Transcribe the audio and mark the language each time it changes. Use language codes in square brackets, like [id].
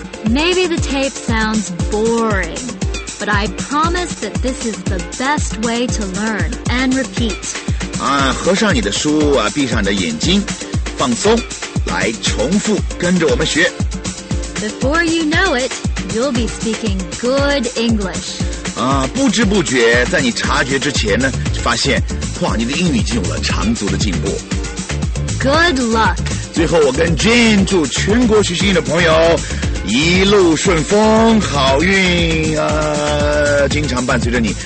[en] Maybe the tape sounds boring, but I promise that this is the best way to learn and repeat. [zh] 啊，合上你的书啊，闭上你的眼睛，放松，来重复跟着我们学。 [en] Before you know it, you'll be speaking good English. [zh] 啊，不知不觉，在你察觉之前呢，就发现哇，你的英语已经有了长足的进步。 [en] Good luck. [zh] 最后我跟 Jane 祝全国学习英语的朋友一路顺风，好运啊，经常伴随着你。